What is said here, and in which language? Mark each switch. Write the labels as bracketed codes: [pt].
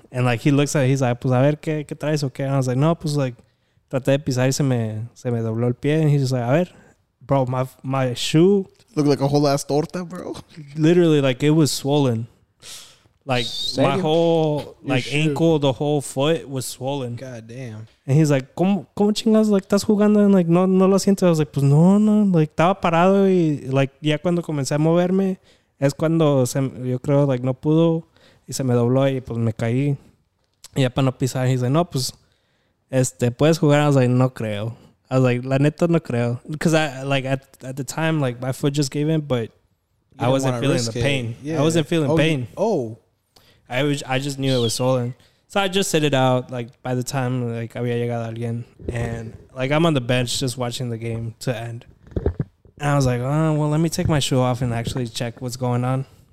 [en] And, like, he looks at me, he's like, [es] pues, a ver, ¿qué traes, okay? [en] And I was like, [es] no, pues, like, traté de pisar y se me dobló el pie. [en] And he's just like, [es] a ver, [en] bro, my shoe. Looked like a whole ass torta, bro. Literally, like, it was swollen. Like, my whole, like, ankle, the whole foot was swollen. God damn. And he's like, [es] ¿Cómo chingas? [en] Like, [es] ¿estás jugando? [en] And, like, [es] no lo siento. [en] I was like, [es] pues, no. Like, estaba parado y, like, ya cuando comencé a moverme, es cuando yo creo, like, no pudo y se me dobló y, pues, me caí. Y ya para no pisar, [en] he's like, [es] no, pues, ¿puedes jugar? [en] I was like, [es] no creo. [en] I was like, [es] la neta, no creo. [en] Because, at the time, like, my foot just gave in, but I wasn't feeling the pain. Yeah. I wasn't feeling pain. I just knew it was swollen. So I just sit it out, like, by the time, like, [es] había llegado alguien. [en] And, like, I'm on the bench just watching the game to end. And I was like, oh, well, let me take my shoe off and actually check what's going on.